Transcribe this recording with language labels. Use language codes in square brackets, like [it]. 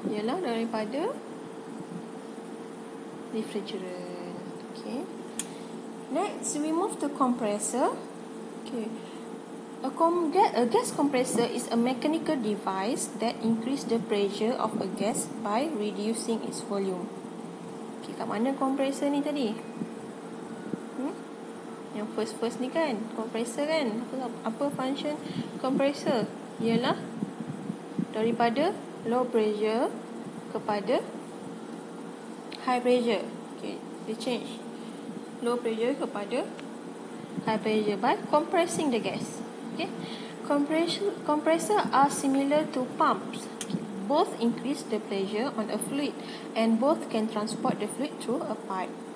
[ms] Ialah daripada refrigerant. [en] Okay. Next, we move to compressor. Okay, a gas compressor is a mechanical device that increase the pressure of a gas by reducing its volume. [ms] Okay, kat mana compressor ni tadi? Yang first-first ni kan? Compressor kan? Apa function compressor? Ialah daripada low pressure kepada high pressure. [en] Okay, they change low pressure kepada high pressure by compressing the gas. Okay, compressor are similar to pumps. Okay, both increase the pressure on a fluid and both can transport the fluid through a pipe.